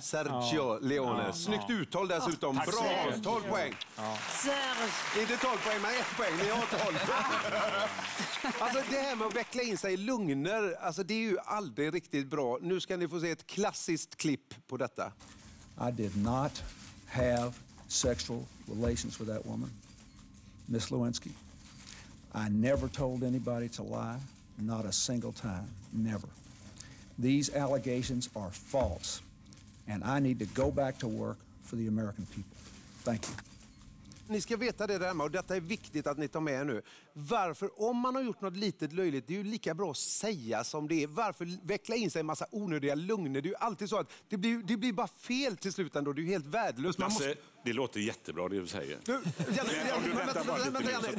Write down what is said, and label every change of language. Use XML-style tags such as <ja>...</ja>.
<sv>Sergio Leone. Ja. Snyggt uttal dessutom. Oh, bra, 12 poäng. Ja. Serge. Inte 12 poäng, men 1 poäng. Ni har 12. Alltså det här med att veckla in sig i lugner, alltså det är ju aldrig riktigt bra. Nu ska ni få se ett klassiskt klipp på detta.</sv> <en>I did not have sexual relations with that woman, Miss Lewinsky. I never told anybody to lie, not a single time, never. These allegations are false, and I need to go back to work for the American people. Thank you.</en> <sv>Ni ska veta det där med, och detta är viktigt att ni tar med er nu. Varför, om man har gjort något litet löjligt, det är ju lika bra att säga som det är. Varför veckla in sig en massa onödiga lugner? Det är ju alltid så att det blir bara fel till slut ändå. Det är ju helt värdelöst. Man måste... Det låter jättebra det du säger.</sv>